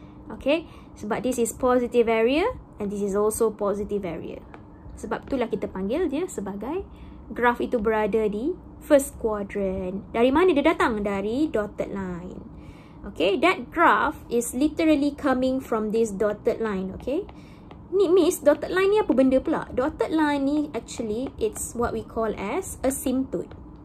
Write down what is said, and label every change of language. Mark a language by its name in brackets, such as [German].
[English] Okay, sebab this is positive area and this is also positive area. [Malay] Sebab itulah kita panggil dia sebagai graf itu berada di first quadrant. Dari mana dia datang? Dari dotted line. [English] Okay, that graph is literally coming from this dotted line. Okay, ni miss, dotted line [Malay] ni apa benda pula? [English] Dotted line ni actually, it's what we call as asymptote.